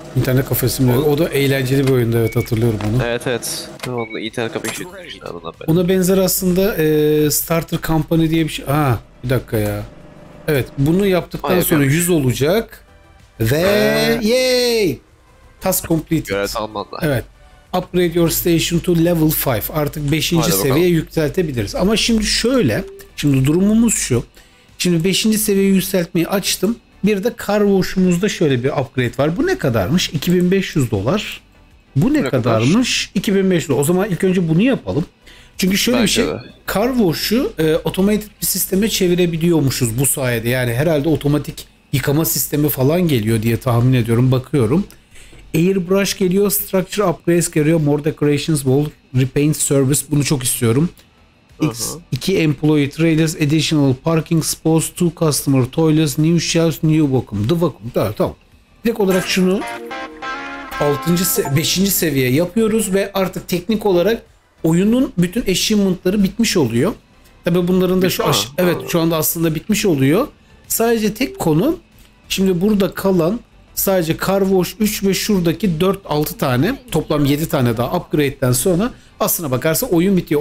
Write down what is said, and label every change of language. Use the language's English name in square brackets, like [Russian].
[Turkish] İnternet kafe simülatörü. O da eğlenceli bir oyundu. Evet, hatırlıyorum onu. Evet evet. Onunla internet kafe işletmiştim. Ona benzer aslında Starter Company diye bir şey. Ha, bir dakika ya. Evet, bunu yaptıktan sonra 100 olacak. [English] Ve yay! Task completed. [Turkish] Görev tamamlandı. Evet. [English] Upgrade your station to level 5. [Turkish] Artık 5. seviyeye yükseltebiliriz. Ama şimdi şöyle. Şimdi durumumuz şu. Şimdi 5. seviyeyi yükseltmeyi açtım. Bir de car wash'umuzda şöyle bir upgrade var. Bu ne kadarmış? 2500 dolar. Bu ne kadarmış? 2500 dolar. O zaman ilk önce bunu yapalım. Çünkü şöyle bir şey. Car wash'u automated bir sisteme çevirebiliyormuşuz bu sayede. Yani herhalde otomatik yıkama sistemi falan geliyor diye tahmin ediyorum. Bakıyorum. [English] Airbrush geliyor, structure upgrades geliyor, more decorations, wall repaint service, [Turkish] bunu çok istiyorum. [English] 2 employee trailers, additional parking spots, 2 customer toilets, new shelves, new vacuum. The vacuum, [Turkish] daha tamam. Direkt olarak şunu 5. seviye yapıyoruz ve artık teknik olarak oyunun bütün achievement'ları bitmiş oluyor. Tabi bunların da evet şu anda aslında bitmiş oluyor. Sadece tek konu, şimdi burada kalan sadece Car Wash 3 ve şuradaki 4-6 tane, toplam 7 tane daha upgrade'den sonra aslına bakarsa oyun bitiyor.